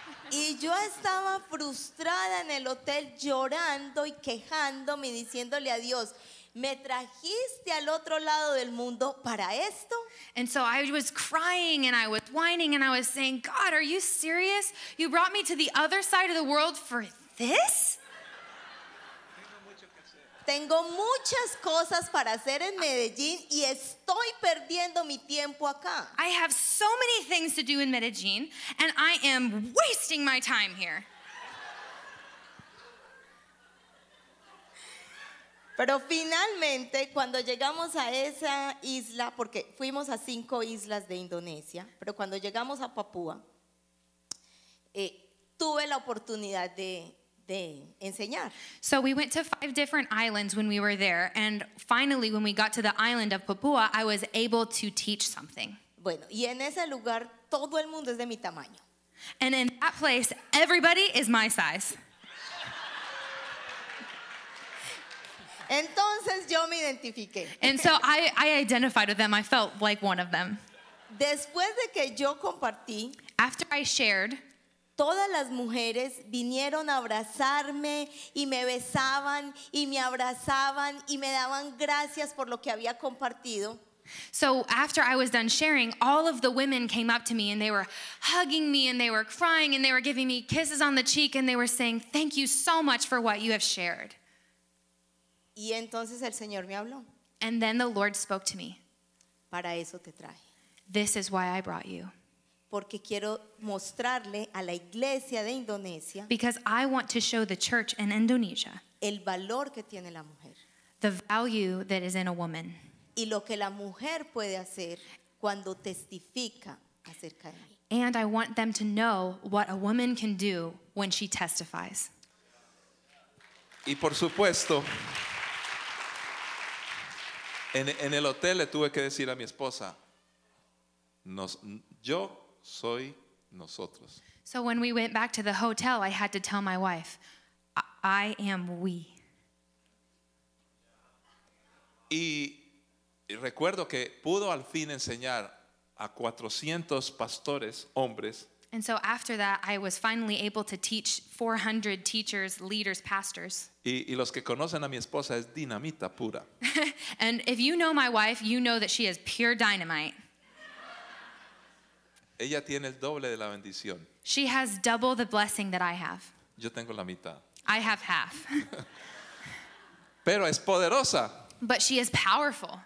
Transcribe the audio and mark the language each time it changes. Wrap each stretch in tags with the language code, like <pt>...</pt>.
<es>Y yo estaba frustrada en el hotel llorando y quejándome y diciéndole a Dios, ¿me trajiste al otro lado del mundo para esto?</es> <en>And so I was crying and I was whining and I was saying, God, are you serious? You brought me to the other side of the world for this?</en> <es>Tengo muchas cosas para hacer en Medellín y estoy perdiendo mi tiempo acá.</es> <en>I have so many things to do in Medellín and I am wasting my time here.</en> <es>Pero finalmente, cuando llegamos a esa isla, porque fuimos a 5 islas de Indonesia, pero cuando llegamos a Papúa, tuve la oportunidad de enseñar.</es> <en>So we went to 5 different islands when we were there, and finally when we got to the island of Papua, I was able to teach something.</en> <es>Bueno, y en ese lugar todo el mundo es de mi tamaño.</es> <en>And in that place, everybody is my size.</en> <es>Entonces yo me identifiqué.</es> <en>And so I identified with them. I felt like one of them.</en> <es>Después de que yo compartí,</es> <en>after I shared,</en> <es>todas las mujeres vinieron a abrazarme y me besaban y me abrazaban y me daban gracias por lo que había compartido.</es> <en>So after I was done sharing, all of the women came up to me and they were hugging me and they were crying and they were giving me kisses on the cheek and they were saying, thank you so much for what you have shared.</en> <es>Y entonces el Señor me habló.</es> <en>And then the Lord spoke to me.</en> <es>Para eso te traje.</es> <en>This is why I brought you.</en> <es>Porque quiero mostrarle a la iglesia de Indonesia.</es> <en>Because I want to show the church in Indonesia.</en> <es>El valor que tiene la mujer.</es> <en>The value that is in a woman.</en> <es>Y lo que la mujer puede hacer cuando testifica acerca de mí.</es> <en>And I want them to know what a woman can do when she testifies.</en> <es>Y por supuesto, en el hotel le tuve que decir a mi esposa, yo soy nosotros.</es> <en>So when we went back to the hotel, I had to tell my wife, I am we.</en> <es>Y recuerdo que pudo al fin enseñar a 400 pastores hombres.</es> <en>And so after that, I was finally able to teach 400 teachers, leaders, pastors.</en> <es>Y los que conocen a mi esposa es dinamita pura.</es> <en>And if you know my wife, you know that she is pure dynamite.</en> <es>Ella tiene el doble de la bendición.</es> <en>She has double the blessing that I have.</en> <es>Yo tengo la mitad.</es> <en>I have half.</en> <es>Pero es poderosa.</es> <en>But she is powerful.</en>